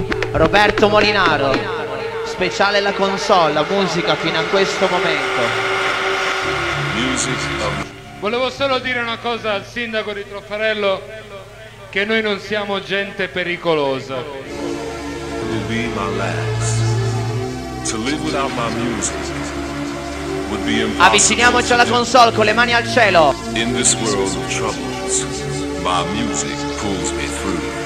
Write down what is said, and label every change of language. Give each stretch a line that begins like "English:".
Italian: Roberto Molinaro, speciale la console, musica fino a questo momento. Volevo solo dire una cosa al sindaco di Troffarello, che noi non siamo gente pericolosa.
English: To be my last. To live without my music would be impossible.
Italian: Avviciniamoci alla console con le mani al cielo.
English: In this world of troubles, my music pulls me through.